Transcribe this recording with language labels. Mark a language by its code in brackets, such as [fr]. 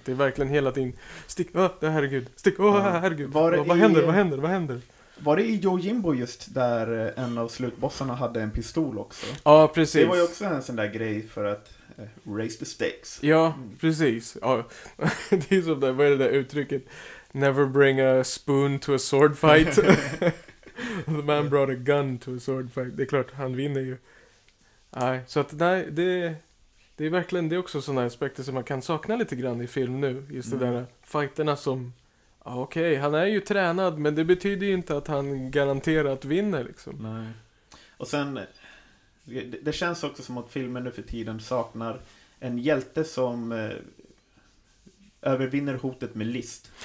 [sv] Det är verkligen hela tiden, stick, herregud, stick, herregud. Vad händer? Var det i Yojimbo just där en av slutbossarna hade en pistol också? Ja, precis. Det var ju också en sån där grej för att [en] raise the stakes. [sv] Ja, precis. Ja. Det är som det, vad är det där uttrycket? [en] Never bring a spoon to a sword fight. The man brought a gun to a sword fight. [sv] Det är klart, han vinner ju. Nej, så att nej, det är verkligen, det är också sådana aspekter som man kan sakna lite grann i film nu. Just det där fighterna som, okej, han är ju tränad, men det betyder ju inte att han garanterat vinner liksom. Nej. Och sen, det känns också som att filmen nu för tiden saknar en hjälte som övervinner hotet med list.